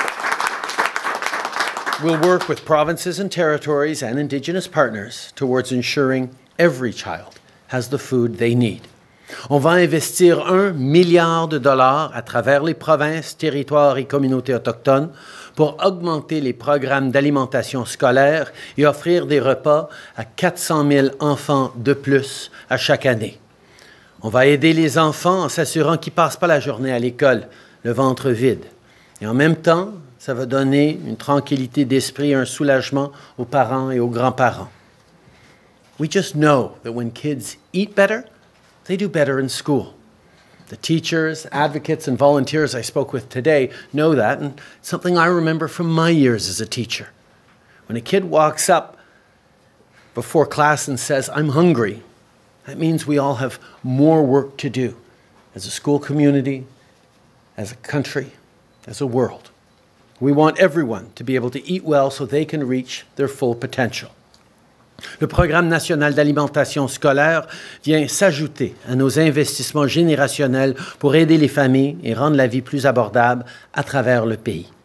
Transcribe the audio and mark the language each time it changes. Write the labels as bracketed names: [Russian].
[English] Yay. We'll work with provinces and territories and Indigenous partners towards ensuring every child has the food they need. [French] On va investir $1 billion à travers les provinces, territoires et communautés autochtones pour augmenter les programmes d'alimentation scolaire et offrir des repas à 400 000 enfants de plus à chaque année. On va aider les enfants en s'assurant qu'ils ne passent pas la journée à l'école, le ventre vide. Et en même temps, ça va donner une tranquillité d'esprit et un soulagement aux parents et aux grands-parents. [English] We just know that when kids eat better, they do better in school. The teachers, advocates, and volunteers I spoke with today know that, and something I remember from my years as a teacher. When a kid walks up before class and says, "I'm hungry," that means we all have more work to do as a school community, as a country, as a world. We want everyone to be able to eat well so they can reach their full potential. [French] Le Programme national d'alimentation scolaire vient s'ajouter à nos investissements générationnels pour aider les familles et rendre la vie plus abordable à travers le pays.